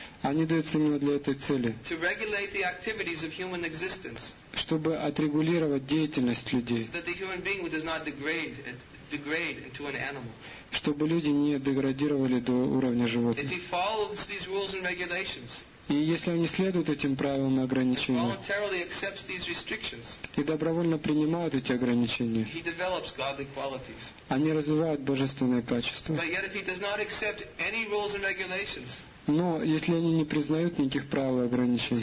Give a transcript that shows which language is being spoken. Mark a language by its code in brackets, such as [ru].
[ru] Они даются именно для этой цели. [en] To regulate the activities of human existence. [ru] Чтобы отрегулировать деятельность людей. [en] So that the human being does not degrade into an animal. [ru] Чтобы люди не деградировали до уровня животных. [en] If he follows these rules and regulations, [ru] и если он не следует этим правилам и ограничениям, [en] and voluntarily accepts these restrictions, [ru] и добровольно принимает эти ограничения, [en] he develops godly qualities. [ru] Они развивают божественные качества. [en] But yet if he does not accept any rules and regulations, [ru] но если они не признают никаких правил и ограничений,